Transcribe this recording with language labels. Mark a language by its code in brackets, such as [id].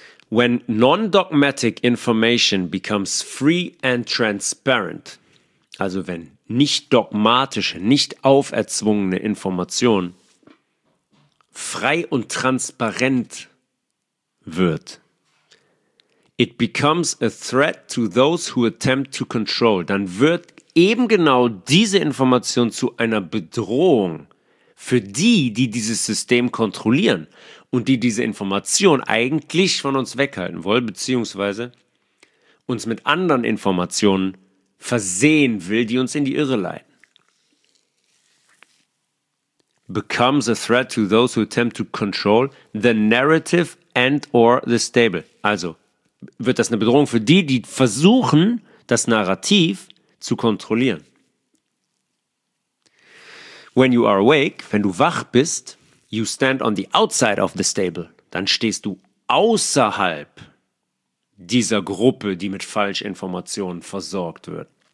[en] When non-dogmatic information becomes free and transparent, [de] also wenn nicht dogmatische, nicht auferzwungene Information frei und transparent wird, [en] it becomes a threat to those who attempt to control, [de] dann wird eben genau diese Information zu einer Bedrohung für die, die dieses System kontrollieren. Und die diese Information eigentlich von uns weghalten wollen, beziehungsweise uns mit anderen Informationen versehen will, die uns in die Irre leiten. [en] Becomes a threat to those who attempt to control the narrative and or the stable. [de] Also wird das eine Bedrohung für die, die versuchen, das Narrativ zu kontrollieren. [en] When you are awake, [de] wenn du wach bist, [en] you stand on the outside of the stable, [de] dann stehst du außerhalb dieser Gruppe, die mit Falschinformationen versorgt wird.